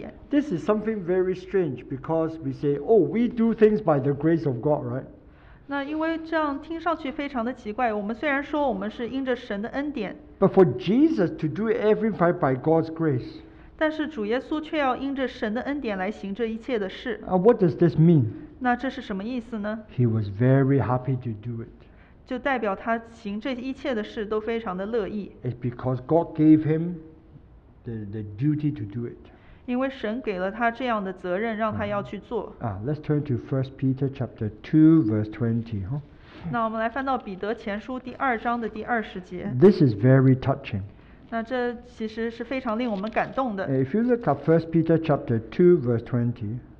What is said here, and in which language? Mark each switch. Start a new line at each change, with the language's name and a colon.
English: This is something very strange because we say, oh, we do things by the grace of God, right?
Chinese: 那因为这样听上去非常的奇怪, 我们虽然说我们是因着神的恩典,
English: but for Jesus to do everything by God's grace,
Chinese: 但是主耶稣却要因着神的恩典来行这一切的事,
English: what does this mean?
Chinese: 那这是什么意思呢?
English: He was very happy to do it.
Chinese: 就代表他行这一切的事都非常的乐意,
English: it's because God gave him the duty to do it.
Chinese: 因为神给了他这样的责任,
English: let's turn to 1 Peter chapter 2, verse 20. Huh?
Chinese: 那我们来翻到彼得前书第二章的第二十节。
English: This is very touching.
Chinese: 那这其实是非常令我们感动的。
English: If you look at 1 Peter chapter 2, verse 20,